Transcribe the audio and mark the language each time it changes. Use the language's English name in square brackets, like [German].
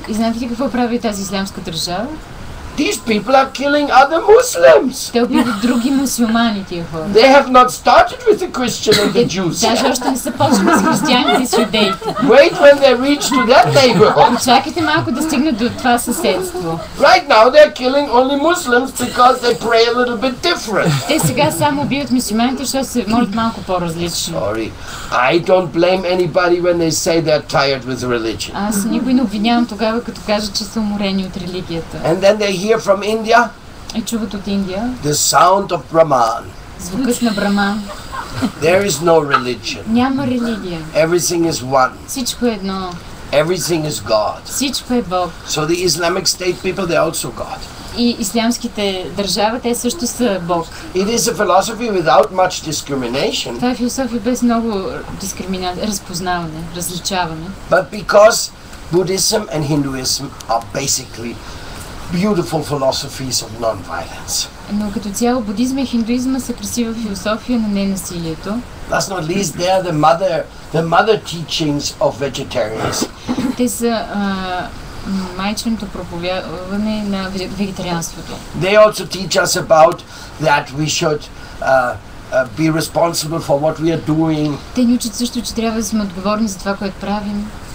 [Bulgarian] И знаете ли какво прави тази исламска държава? [English] These people are killing other Muslims. [Bulgarian] Те убиват други мюсюлмани тия хора. [English] They have not started with the Christian and the Jews. [Bulgarian] Даже още не са почнали с християните и с юдеите. [English] Wait when they reach to that neighborhood. [Bulgarian] Чакайте малко да стигнат до това съседство. [English] Right now they are killing only Muslims because they pray a little bit different. [Bulgarian] Те сега само убиват мюсюлманите, защото се молят малко по-различно. [English] Sorry. I don't blame anybody when they say they are tired with religion. [Bulgarian] Аз никой не обвинявам тогава, като кажат, че са уморени от религията. [English] And then they hear from India. [Bulgarian] И чуват от Индия. [English] The sound of Brahman. [Bulgarian] Звукът на Брахман. [English] There is no religion. [Bulgarian] Няма религия. [English] Everything is one. [Bulgarian] Всичко е едно. [English] Everything is God. [Bulgarian] Всичко е Бог. [English] So the Islamic State people, they are also God. [Bulgarian] И ислямските държави, те също са Бог. [English] It is a philosophy without much discrimination. [Bulgarian] Това е философия без много дискриминация, разпознаване, различаване. [English] But because Buddhism and Hinduism are basically beautiful philosophies of non-violence. [Bulgarian] Но като цяло будизма и хиндуизма са красива философия на ненасилието. [English] Last not least, they are the mother teachings of vegetarians. [Bulgarian] Те са майчиното проповядване на вегетарианството. [English] They also teach us about that we should be responsible for what we are doing. [Bulgarian] Те ни учат също, че трябва да сме отговорни за това, което правим.